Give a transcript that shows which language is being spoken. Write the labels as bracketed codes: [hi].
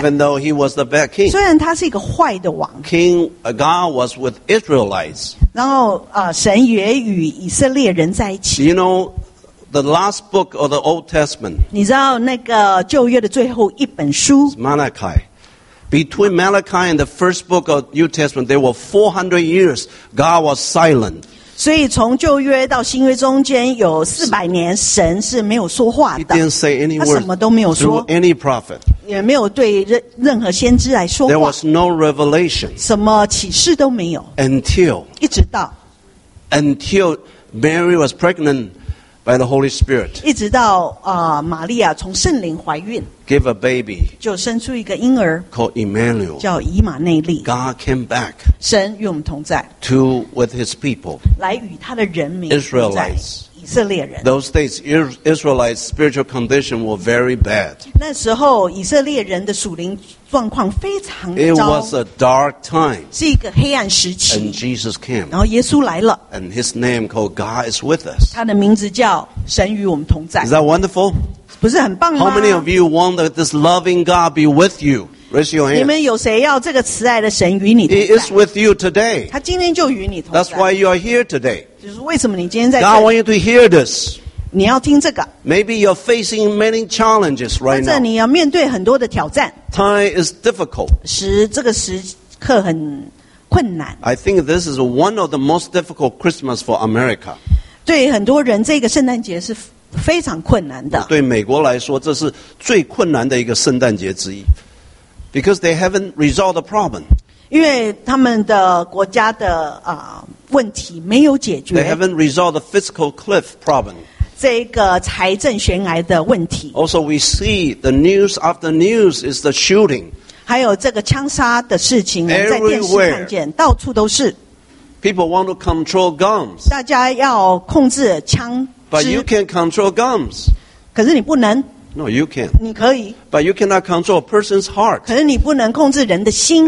[en] Even though he was the bad king. [zh] 虽然他是一个坏的王 [en] God was with Israelites. [zh] 然后神也与以色列人在一起 [en] You know,The last book of the Old Testament. [zh] 你知道那个旧约的最后一本书 [en] Malachi. Between Malachi and the first book of New Testament, there were 400 years God was silent. [zh] 所以从旧约到新约中间有400年神是没有说话的。 [en] He didn't say any word. [zh] 他什么都没有说。 [en] Through any prophet. [zh] 也没有对任何先知来说话。 [en] There was no revelation. [zh] 什么启示都没有。 [en] Until. [zh] 一直到。 [en] Until Mary was pregnant. By the Holy Spirit. [zh] 一直到玛利亚从圣灵怀孕 [en] Give a baby. [zh] 就生出一个婴儿 [en] Called Emmanuel. [zh] 叫以马内利 [en] God came back. [zh] 神与我们同在 [en] To with his people. [zh] 来与他的人民 [en] Israelites. [zh] 以色列人 [en] Those days, Israelites' spiritual condition were very bad. [zh] 那时候以色列人的属灵状况非常糟 [en] It was a dark time. [zh] 是一个黑暗时期 [en] And Jesus came. [zh] 然后耶稣来了 [en] And his name called God is with us. [zh] 他的名字叫神与我们同在 [en] Is that wonderful? [zh] 不是很棒吗 [en] How many of you want that this loving God be with you? Raise your hand. [zh] 你们有谁要这个慈爱的神与你同在 [en] He is with you today. [zh] 他今天就与你同在 [en] That's why you are here today. [zh] 就是为什么你今天在 [en] God want you to hear this. [zh] 你要听这个。 [en] Maybe you're facing many challenges right now. [zh] 或者你要面对很多的挑战。 [en] Time is difficult. [zh] 这个时刻很困难。 [en] I think this is one of the most difficult Christmas for America. [zh] 对很多人，这个圣诞节是非常困难的。对美国来说，这是最困难的一个圣诞节之一。 [en] Because they haven't resolved the problem. [zh] 因为他们的国家的问题没有解决。 [en] They haven't resolved the fiscal cliff problem. [zh] 这个财政悬崖的问题。 [en] Also, we see the news after news is the shooting. [zh] 还有这个枪杀的事情，我们在电视看见，到处都是。 [en] People want to control guns. [zh] 大家要控制枪支。 [en] But you can't control guns. [zh] 可是你不能。 [en] No, you can. [zh] 你可以。 [en] But you cannot control a person's heart. [zh] 可是你不能控制人的心。